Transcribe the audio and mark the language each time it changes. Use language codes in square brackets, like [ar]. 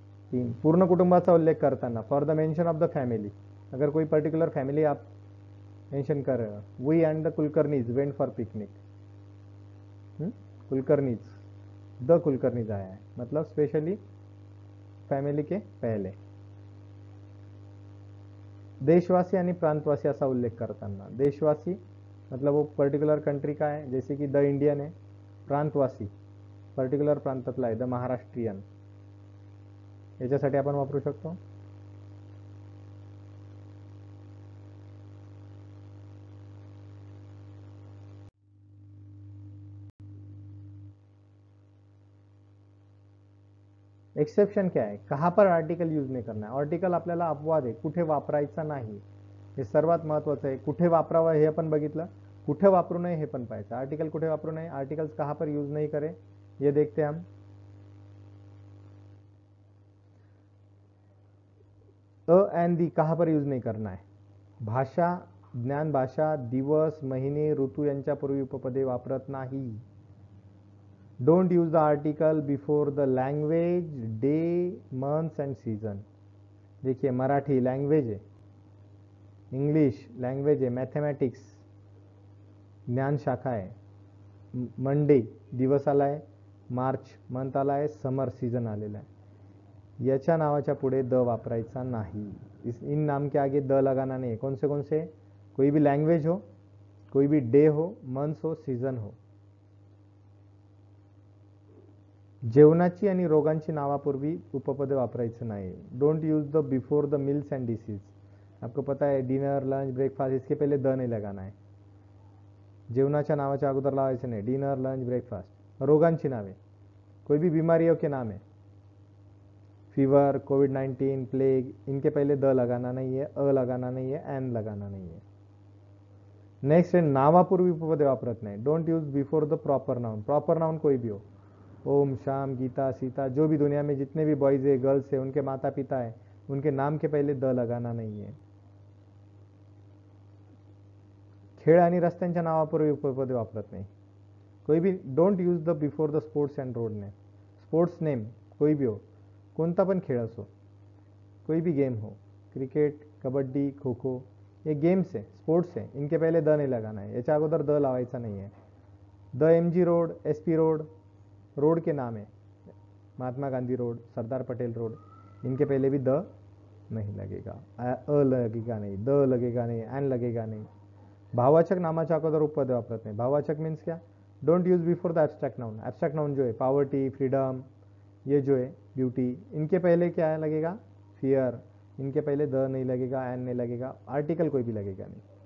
[mr] तीन, पूर्ण कुटुंबाचा उल्लेख करताना, [en] for the mention of the family, [hi] अगर कोई पर्टिकुलर फैमिली आप मेंशन कर रहे हो, [en] we and the Kulkarnis went for picnic, [hi] कुलकर्णीज, the कुलकर्णीज आया है, मतलब स्पेशली फैमिली के पहले। [mr] देशवासी आणि प्रांतवासी असा उल्लेख करताना, [hi] देशवासी मतलब वो पर्टिक्युलर कंट्री का है, जैसे कि द इंडियन है, [mr] प्रांतवासी पर्टिक्युलर प्रांतातला आहे, द महाराष्ट्रीयन, याच्यासाठी आपण वापरू शकतो। [hi] एक्सेप्शन क्या है, कहाँ पर आर्टिकल यूज नहीं करना है, [mr] आर्टिकल आपल्याला अपवाद है, कुठे वापरायचा नाही हे सर्वात महत्त्वाचं आहे, कुठे वापरावं हे आपण बघितलं, कुठे वापरू नये हे पण पाहायचं, आर्टिकल कुठे वापरू नये, [hi] आर्टिकल्स कहाँ पर यूज नहीं करे ये देखते हम। अ एंड दी कहाँ पर यूज नहीं करना है, [mr] भाषा, ज्ञान भाषा, दिवस, महीने, ऋतु यांच्यापूर्वी उपपदे वापरत नाही। Don't use the article before the language, day, months end season. [hi] देखिए मराठी लैंग्वेज है, इंग्लिश लैंग्वेज है, मैथमेटिक्स ज्ञान शाखा है, [mr] मंडे दिवस आला है, मार्च मंथ आला है, समर सीजन आलेला है, याच्या नावाच्या पुढे द वापरायचा नाही, [hi] इन नाम के आगे द लगाना नहीं है। कौन से कौन से, कोई भी लैंग्वेज हो, कोई भी डे हो, मंथ्स हो, सीजन हो। [mr] जेवणाची आणि रोगांची नावापूर्वी उपपदे वापरायचे नाही। [en] don't use the before the meals and disease, [hi] आपको पता है डिनर, लंच, ब्रेकफास्ट, इसके पहले द नाही लगाना है, [mr] जेवणाच्या नावाच्या अगोदर लावायचे नाही, [hi] डिनर, लंच, ब्रेकफास्ट। [mr] रोगांची नावे, [hi] कोई भी बीमारियों के नाम है, फीवर, कोविड 19, प्लेग, इनके पहले द लगाना नहीं है, अ लगाना नहीं है, एन लगाना नहीं है। [mr] नेक्स्ट है नावापूर्वी उपपदे वापरत नाही। [en] don't use before the proper noun, [hi] proper noun कोई भी हो, ओम, श्याम, गीता, सीता, जो भी दुनिया में जितने भी बॉयज है, गर्ल्स है, उनके माता पिता है, उनके नाम के पहले द लगाना नहीं है। [mr] खेळ आणि रस्त्यांच्या नावापूर्वी उपपदे वापरत नाही। [hi] कोई भी, [en] don't use the before the sports and road name, [hi] sports name कोई भी हो, [mr] कोणता पण खेळ असो, [hi] कोई भी गेम हो, क्रिकेट, कबड्डी, खो खो, ये गेम्स है, स्पोर्ट्स है, इनके पहले द नहीं लगाना है, [mr] याच्या अगोदर द लावायचा नाही है। [hi] The MG road, SP road, road के नाम है, महात्मा गांधी रोड, सरदार पटेल रोड, इनके पहले भी द नहीं लगेगा, अ लगेगा नहीं, द लगेगा नहीं, एन लगेगा नहीं। [mr] भाववाचक नामाचा को उपपद वापरत नाही. [hi] भाववाचक मीन्स क्या? [en] Don't use before the abstract noun. [hi] Abstract noun जो है पावर्टी, फ्रीडम, ये जो है ब्यूटी, इनके पहले क्या है लगेगा? फियर. इनके पहले द नहीं लगेगा, एन नहीं लगेगा, आर्टिकल कोई भी लगेगा नहीं.